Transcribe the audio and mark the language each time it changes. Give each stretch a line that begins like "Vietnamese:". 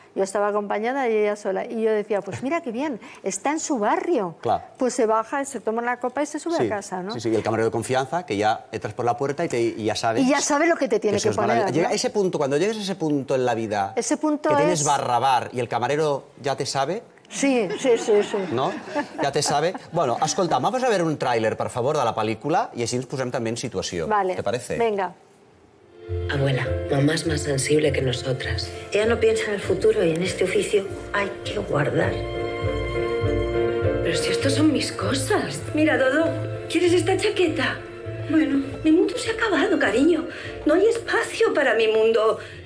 Spanish: Yo estaba acompañada y ella sola. Y yo decía, pues mira qué bien, está en su barrio. Claro. Pues se baja, se toma una copa y se sube a casa, ¿no? Sí, y el camarero de confianza, que ya entras por la puerta y ya sabes... Y ya sabe lo que te tiene que poner. Llega ese punto, cuando llegues a ese punto en la vida... Ese punto que es... tienes barra bar y el camarero ya te sabe... Sí. ¿No? Ja te sabe.
Catalan: Bueno, escolta,
Spanish: vamos a ver
Catalan: un tràiler, per favor, de la pel·lícula i així ens posem també en situació.
Spanish: Vale. ¿Te parece? Venga. Abuela, mamá es más sensible que nosotras. Ella no piensa en el futuro y en este oficio hay que guardar. Pero si estos son mis cosas. Mira, Dodo, ¿quieres esta chaqueta? Bueno, mi mundo se ha acabado, cariño. No hay espacio para mi mundo.